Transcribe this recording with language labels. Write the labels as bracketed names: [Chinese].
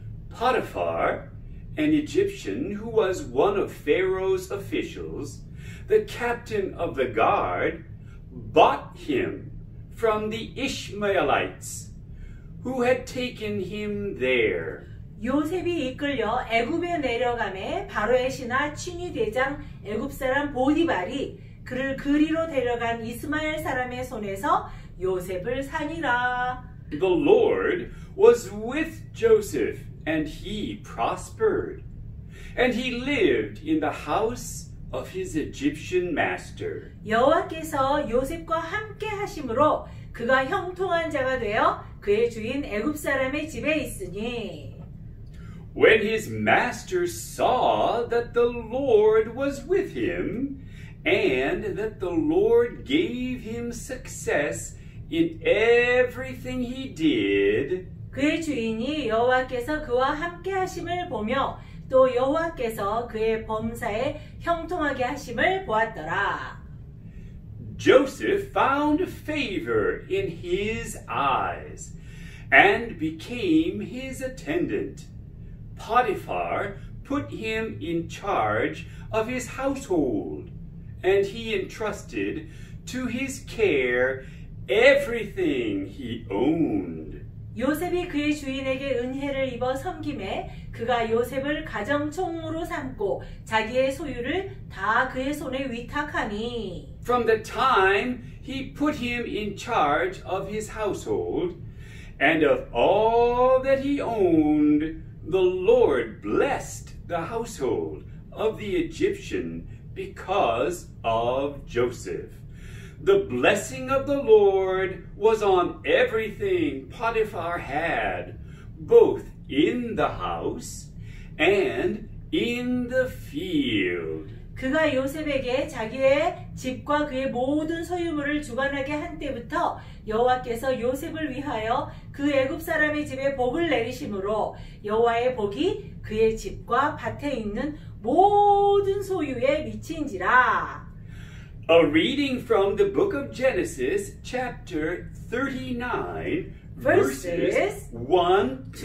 [English] Potiphar, an Egyptian who was one of Pharaoh's officials, the captain of the guard, bought him from the Ishmaelites who had taken him there. [Korean] 요셉이 이끌려 애굽에 내려가매 바로의 신하 친위 대장 애굽 사람 보디발이 그를 그리로 데려간 이스마엘 사람의 손에서 요셉을 산이라. [English] The Lord was with Joseph and he prospered. And he lived in the house of his Egyptian master. [Korean] 여호와께서 요셉과 함께 하심으로 그가 형통한 자가 되어 그의 주인 애굽 사람의 집에 있으니. [English] When his master saw that the Lord was with him and that the Lord gave him success in everything he did, [Korean] 그의 주인이 여호와께서 그와 함께 하심을 보며 또 여호와께서 그의 범사에 형통하게 하심을 보았더라. [English] Joseph found favor in his eyes and became his attendant. Potiphar put him in charge of his household, and he entrusted to his care everything he owned. [Korean] 요셉이 그의 주인에게 은혜를 입어 섬김에 그가 요셉을 가정총무로 삼고 자기의 소유를 다 그의 손에 위탁하니. [English] From the time he put him in charge of his household and of all that he owned, the Lord blessed the household of the Egyptian because of Joseph. The blessing of the Lord was on everything Potiphar had, both in the house and in the field. [Korean] 그가 요셉에게 자기의 집과 그의 모든 소유물을 주관하게 한 때부터 여호와께서 요셉을 위하여 그 애굽 사람의 집에 복을 내리심으로 여호와의 복이 그의 집과 밭에 있는 모든 소유에 미친지라. [English] A reading from the book of Genesis, chapter 39, verses 1-5.